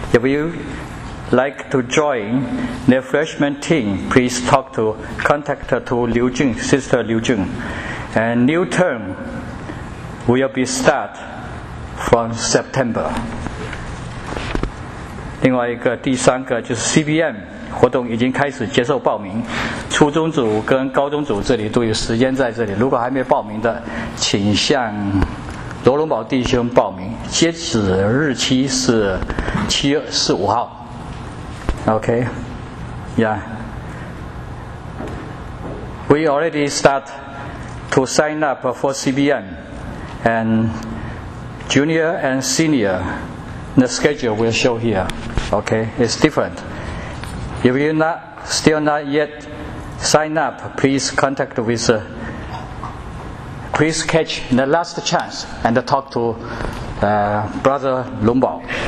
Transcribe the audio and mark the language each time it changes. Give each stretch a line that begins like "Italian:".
English: If you like to join the freshman team, please talk to contact to Liu Jun, Sister Liu Jun. And new term will be start from September.
Chinese: 另外一个第三个就是 CBM 活动已经开始接受报名，初中组跟高中组这里都有时间在这里。如果还没报名的，请向 罗龙宝弟兄报名，截止日期是 7月 15号。
English: Okay, yeah. We already start to sign up for CBM and junior and senior. The schedule will show here. Okay, it's different. If you not still not yet sign up, please contact with, please catch the last chance and talk to Brother Lumbao.